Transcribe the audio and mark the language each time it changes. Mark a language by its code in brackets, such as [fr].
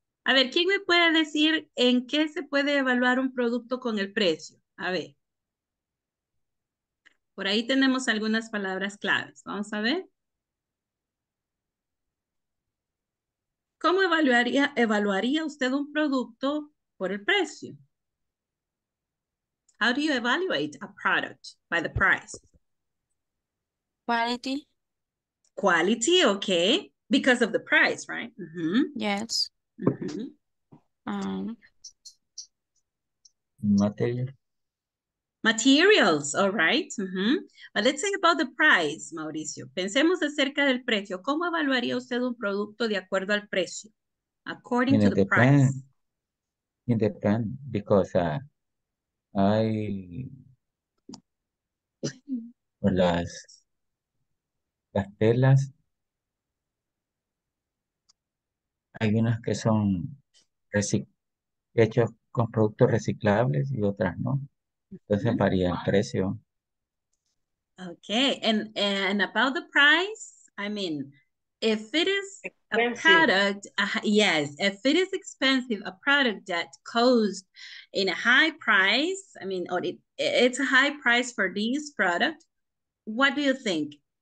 [es] A ver, ¿quién me puede decir en qué se puede evaluar un producto con el precio? A ver. Por ahí tenemos algunas palabras claves. Vamos a ver. ¿Cómo evaluaría usted un producto por el precio? [en] How do you evaluate a product by the price? Quality. Quality, okay. Because of the price, right? Mm-hmm. Yes. Mm-hmm. Material. Materials, all right. Mm-hmm. But let's think about the price, Mauricio. [es] Pensemos acerca del precio. ¿Cómo evaluaría usted un producto de acuerdo al precio? [en] According to the price. It depends, because I... [es] Or las telas, hay unas que son hechos con productos reciclables y otras no. Entonces varía el precio. [en] Okay, and about the price, I mean, if it is expensive. A product that costs in a high price, I mean, or it's a high price for this product, what do you think?